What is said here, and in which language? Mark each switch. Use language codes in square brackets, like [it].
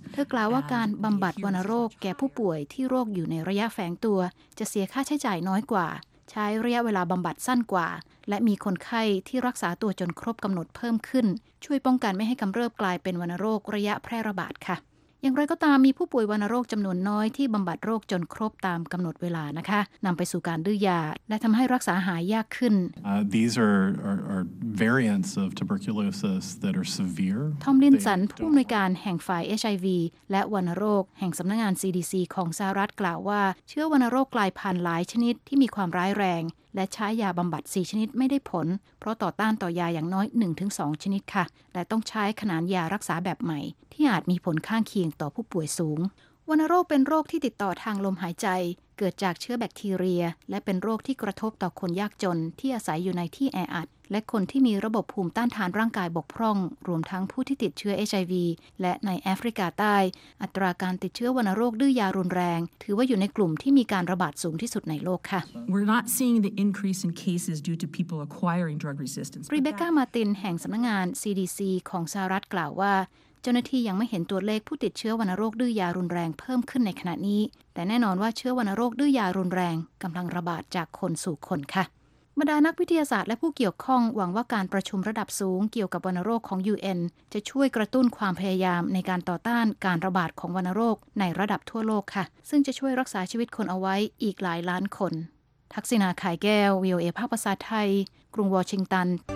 [th] เธอกล่าวว่าการบำบัดวัณโรคแก่ผู้ป่วยที่โรคอยู่ในระยะแฝงตัวจะเสียค่าใช้จ่ายน้อยกว่าใช้ระยะเวลาบำบัดสั้นกว่าและมีคนไข้ที่รักษาตัวจนครบกำหนดเพิ่มขึ้นช่วยป้องกันไม่ให้กำเริบกลายเป็นวัณโรคระยะแพร่ระบาดค่ะอย่างไรก็ตามมีผู้ป่วยวัณโรคจำนวนน้อยที่บำบัดโรคจนครบตามกำหนดเวลานะคะนำไปสู่การดื้อยาและทำให้รักษาหายยากขึ้น [en] These are variants of tuberculosis that are severe [th] ทอมลินสันผู้อำนวยการแห่งฝ่าย HIV และวัณโรคแห่งสำนักงาน CDC ของสหรัฐกล่าวว่าเชื้อวัณโรคกลายพันธุ์หลายชนิดที่มีความร้ายแรงและใช้ยาบำบัด4ชนิดไม่ได้ผลเพราะต่อต้านต่อยาอย่างน้อย 1-2 ชนิดค่ะและต้องใช้ขนานยารักษาแบบใหม่ที่อาจมีผลข้างเคียงต่อผู้ป่วยสูงวัณโรคเป็นโรคที่ติดต่อทางลมหายใจ เกิดจากเชื้อแบคทีเรียและเป็นโรคที่กระทบต่อคนยากจนที่อาศัยอยู่ในที่แออัดและคนที่มีระบบภูมิต้านทานร่างกายบกพร่องรวมทั้งผู้ที่ติดเชื้อ HIV และในแอฟริกาใต้อัตราการติดเชื้อวัณโรคดื้อยารุนแรงถือว่าอยู่ในกลุ่มที่มีการระบาดสูงที่สุดในโลกค่ะ [en] We're not seeing the increase in cases due to people acquiring drug resistance [th] รีเบคก้ามาร์ตินแห่งสำนักงาน CDC ของสหรัฐกล่าวว่าเจ้าหน้าที่ยังไม่เห็นตัวเลขผู้ติดเชื้อวัณโรคดื้อยารุนแรงเพิ่มขึ้นในขณะนี้แต่แน่นอนว่าเชื้อวัณโรคดื้อยารุนแรงกำลังระบาดจากคนสู่คนค่ะ บรรดานักวิทยาศาสตร์และผู้เกี่ยวข้องหวังว่าการประชุมระดับสูงเกี่ยวกับวัณโรคของ UN จะช่วยกระตุ้นความพยายามในการต่อต้านการระบาดของวัณโรคในระดับทั่วโลกค่ะซึ่งจะช่วยรักษาชีวิตคนเอาไว้อีกหลายล้านคนทักษิณาขายแก้ว VOA ภาคภาษาไทยกรุงวอชิงตัน